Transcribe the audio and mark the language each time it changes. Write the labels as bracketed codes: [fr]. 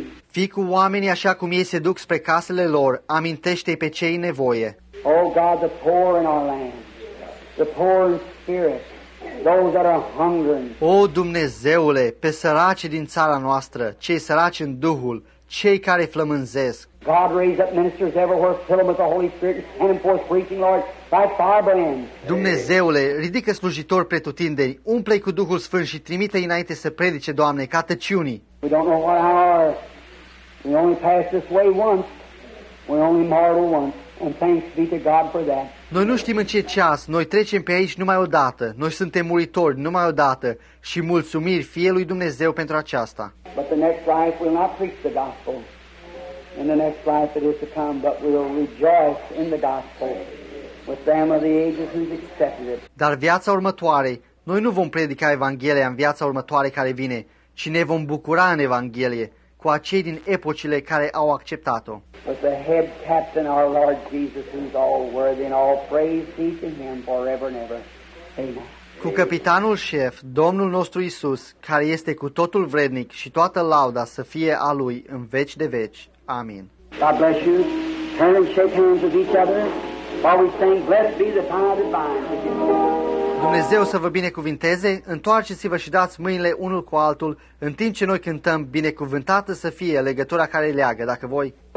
[ro] Fii cu oamenii așa cum ei se duc spre casele lor, amintește-i pe cei în nevoie. [en] O, oh God, the poor in our land, the poor in spirit, those that are hungry. [ro] O, Dumnezeule, pe săraci din țara noastră, cei săraci în duhul, cei care flămânzesc. [en] God raise up ministers everywhere, fill them with the Holy Spirit, send them forth preaching, Lord, like firebrands. [ro] Dumnezeule, ridică slujitori pretutindeni, umple-i cu Duhul Sfânt și trimite-i înainte să predice, Doamne, ca tăciunii. [en] We don't know what our... We only pass this way once. We only mortal once. And thanks be to God for that. [ro] Noi nu știm în ce ceas, noi trecem pe aici numai odată. Noi suntem muritori numai odată și mulțumiri fie lui Dumnezeu pentru aceasta. [en] But the next life we'll not preach the gospel. In the next life it is to come, but we'll rejoice in the gospel with them of the ages who've accepted it. [ro] Dar viața următoare, noi nu vom predica Evanghelia în viața următoare care vine, ci ne vom bucura în Evanghelie cu acei din epocile care au acceptat-o. [en] But the head captain, our Lord Jesus, who's all worthy and all praise be to him forever and ever. Amen. [ro] Cu capitanul șef, Domnul nostru Iisus, care este cu totul vrednic și toată lauda să fie a lui în veci de veci. Amin. [en] God bless you. Turn and shake hands with each other while we sing, blessed be the power divine. [ro] Dumnezeu să vă binecuvinteze, întoarceți-vă și dați mâinile unul cu altul, în timp ce noi cântăm, binecuvântată să fie legătura care leagă, dacă voi.